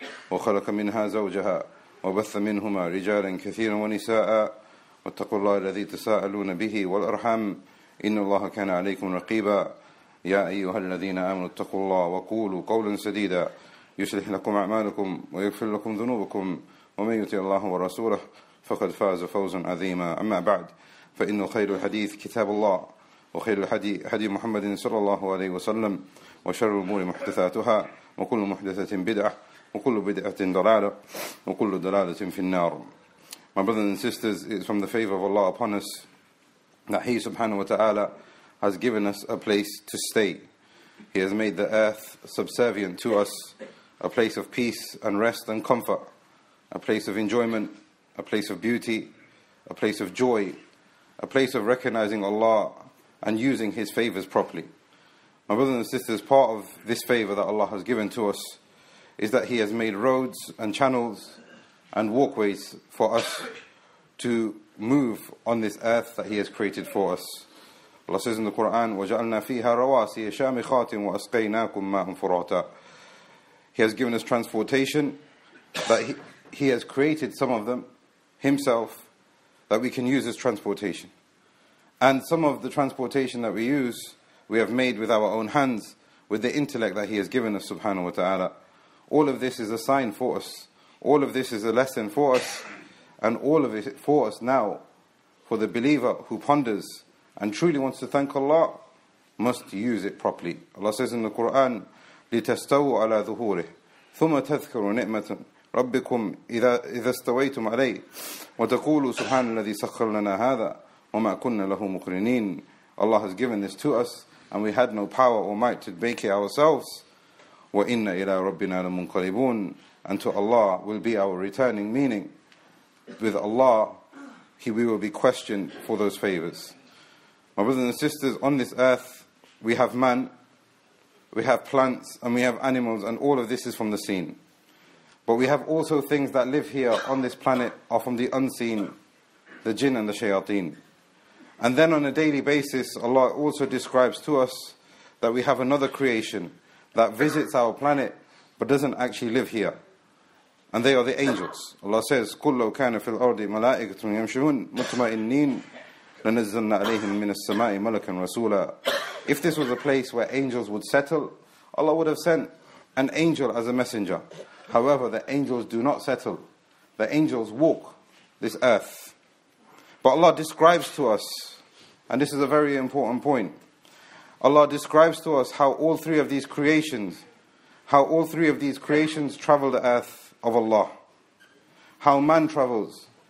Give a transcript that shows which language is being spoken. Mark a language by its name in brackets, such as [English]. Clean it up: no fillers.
[Arabic] وخلق منها زوجها وبث منهما رجالا كثيرا ونساء واتقوا الله الذي تساءلون به والأرحام إن الله كان عليكم رقيبا يا أيها الذين آمنوا اتقوا الله وقولوا قولا سديدا يصلح لكم أعمالكم ويغفر لكم ذنوبكم ومن يطع الله ورسوله فقد فاز فوزا عظيما أما بعد فإن خير الحديث كتاب الله وخير الهدي هدي محمد صلى الله عليه وسلم وشر الأمور محدثاتها وكل محدثة بدعة وكل بدعة ضلالة وكل ضلالة في النار. [English] My brothers and sisters, it is from the favor of Allah upon us that He subhanahu wa ta'ala has given us a place to stay. He has made the earth subservient to us, a place of peace and rest and comfort, a place of enjoyment, a place of beauty, a place of joy, a place of recognizing Allah and using His favors properly. My brothers and sisters, part of this favor that Allah has given to us is that He has made roads and channels and walkways for us to move on this earth that He has created for us. Allah says in the Quran, [Arabic] وَجَعَلْنَا فِيهَا رَوَاسِيَ شَامِخَاتٍ وَأَسْقَيْنَاكُمْ مَاءً فُرَاتًا. [English] He has given us transportation, that he has created some of them Himself that we can use as transportation. And some of the transportation that we use, we have made with our own hands, with the intellect that He has given us, subhanahu wa ta'ala. All of this is a sign for us. All of this is a lesson for us. And all of it for us now, for the believer who ponders and truly wants to thank Allah, must use it properly. Allah says in the Quran, [Arabic] لِتَسْتَوُوا عَلَى ذُهُورِهِ ثُمَّ تَذْكَرُوا نِعْمَةً رَبِّكُمْ إِذَا اسْتَوَيْتُمْ عَلَيْهِ وَتَقُولُوا سُبْحَانَ الَّذِي سَخَّرَ لَنَا هَذَا وَمَا كُنَّا لَهُ مُقْرِنِينَ. [English] Allah has given this to us, and we had no power or might to make it ourselves. [Arabic] وَإِنَّ إِلَىٰ رَبِّنَا لَمُنْقَلِبُونَ. [English] And to Allah will be our returning, meaning with Allah, we will be questioned for those favors. My brothers and sisters, on this earth, we have man, we have plants, and we have animals, and all of this is from the seen. But we have also things that live here on this planet are from the unseen, the jinn and the shayateen. And then on a daily basis, Allah also describes to us that we have another creation that visits our planet but doesn't actually live here. And they are the angels. Allah says, [Arabic] كُلَّوْ كَانَ فِي الْأَرْضِ مَلَائِكَةٌ يَمْشُونَ مُتْمَئِنِّينَ لَنَزَّلْنَا عَلَيْهِمْ مِنَ السَّمَاءِ مَلَكًا رَسُولًا. [English] If this was a place where angels would settle, Allah would have sent an angel as a messenger. However, the angels do not settle. The angels walk this earth. But Allah describes to us, and this is a very important point, Allah describes to us how all three of these creations, how all three of these creations travel the earth of Allah. How man travels,